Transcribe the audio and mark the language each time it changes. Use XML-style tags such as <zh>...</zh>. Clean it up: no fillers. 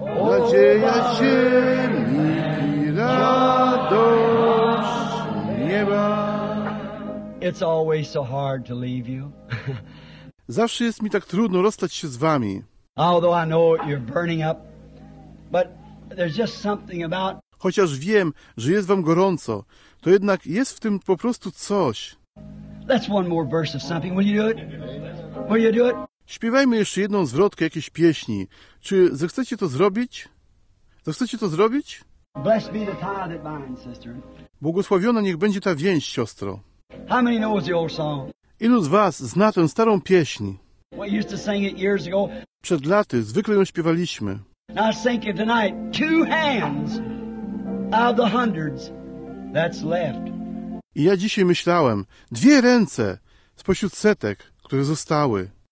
<pl>Nadzieja ziemi i radość nieba.</pl> <en>It's always so hard to leave you.</en> <pl>Zawsze jest mi tak trudno rozstać się z wami.</pl> <en>Although I know you're burning up, but there's just something about...</en> <pl>Chociaż wiem, że jest wam gorąco, to jednak jest w tym po prostu coś.</pl> <en>That's one more verse of something. Will you do it? Will you do it?</en> <pl>Śpiewajmy jeszcze jedną zwrotkę jakiejś pieśni. Czy zechcecie to zrobić? Zechcecie to zrobić?</pl> <en>Blessed be the tie that binds, sister.</en> <pl>Błogosławiona niech będzie ta więź, siostro.</pl> <en>How many knows the old song?</en> <pl>Ilu z was zna tę starą pieśń?</pl> <en>We used to sing it years ago.</en> <pl>Przed laty zwykle ją śpiewaliśmy.</pl> <en>Now sing it tonight. Two hands out of the hundreds that's left.</en> <pl>I ja dzisiaj myślałem, dwie ręce spośród setek, które zostały.</pl>